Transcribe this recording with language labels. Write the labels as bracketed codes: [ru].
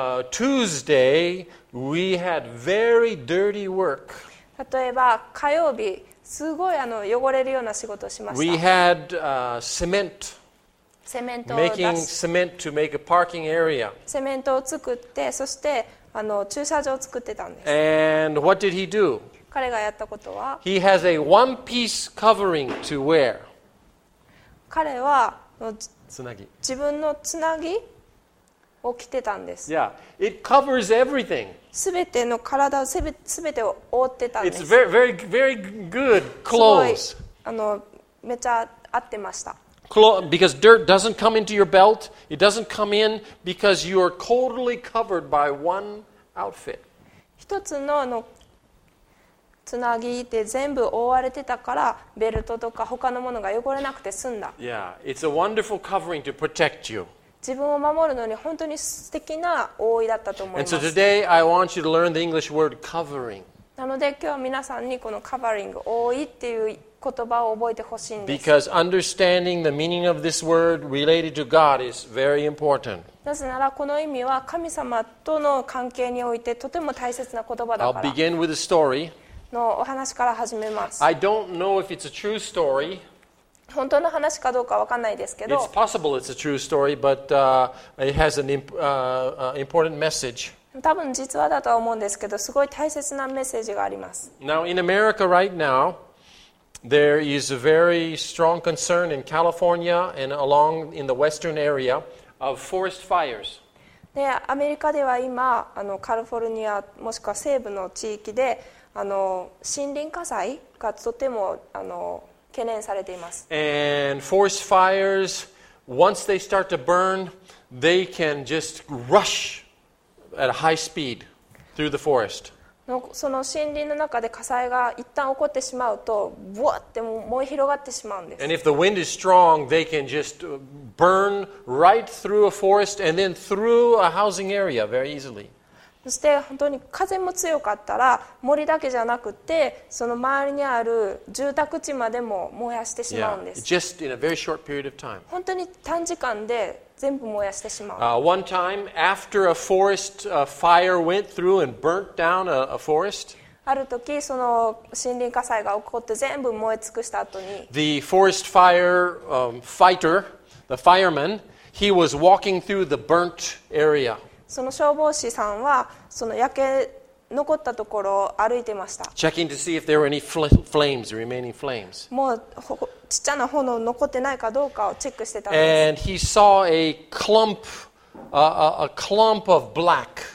[en] Tuesday, we had very dirty work. [ja] 例えば火曜日、すごい汚れるような仕事をしました。 [en] We had cement. [ja] セメントを [en] making cement to make a parking area. [ja] セメントを作って、そして駐車場を作ってたんです。 [en] And what did he do? [ja] 彼がやったことは、 [en] He has a one piece covering to wear. [ja] 彼はつなぎ自分のつなぎを着てたんです。 [en] Yeah, it covers everything. [ja] すべての体をすべてを覆ってたんです。 [en] It's very, very, very good clothes. [ja] すごいめっちゃ合ってました。 [en] Because dirt doesn't come into your belt, it doesn't come in because you are totally covered by one outfit. [ja] 一つのつなぎで全部覆われてたからベルトとか他のものが汚れなくて済んだ。 [en] Yeah, it's a wonderful covering to protect you. [ja] 自分を守るのに本当に素敵な覆いだったと思います。 [en] And so today I want you to learn the English word covering. [ja] なので今日皆さんにこの covering 覆いっていう言葉を覚えてほしいんです。 [en] Because understanding the meaning of this word related to God is very important. [ja] なぜならこの意味は神様との関係においてとても大切な言葉だから。 [en] I'll begin with a story. [ja] のお話から始めます。 [en] I don't know if it's a true story. [ja] 本当の話かどうか分かんないですけど。 [en] It's possible it's a true story, but it has an important message. [ja] 多分実話だと思うんですけど、すごい大切なメッセージがあります。 [en] Now in America right now, there is a very strong concern in California and along in the western area of forest fires. [ja] で、アメリカでは今、カリフォルニアもしくは西部の地域で、森林火災がとても、懸念されています。 [en] And forest fires, once they start to burn, they can just rush at a high speed through the forest. [ja] その森林の中で火災が一旦起こってしまうと、ブワッて燃え広がってしまうんです。 [en] And if the wind is strong, they can just burn right through a forest and then through a housing area very easily. [ja] そして本当に風も強かったら、森だけじゃなくて、その周りにある住宅地までも燃やしてしまうんです。 [en] Yeah, just in a very short period of time. [ja] 本当に短時間で全部燃やしてしまう。 [en] One time, after a forest fire went through and burnt down a forest, [ja] ある時その森林火災が起こって全部燃え尽くした後に、 [en] the forest fire fighter, the fireman, he was walking through the burnt area. [ja] その消防士さんはその焼け残ったところを歩いてました。 [en] Checking to see if there were any flames, remaining flames. [ja] もうちっちゃな炎残ってないかどうかをチェックしてたんです。 [en] And he saw a clump, a clump of black.